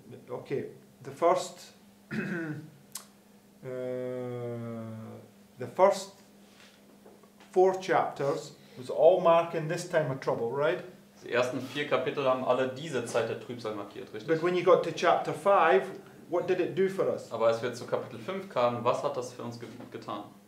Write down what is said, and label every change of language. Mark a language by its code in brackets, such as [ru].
[en] Okay, the first the first four chapters was all marking this time of trouble, right? [de] Die ersten vier Kapitel haben alle diese Zeit der Trübsal markiert, richtig? [en] But when you got to chapter 5, what did it do for us? [de] Aber als wir zu Kapitel 5 kamen, was hat das für uns getan?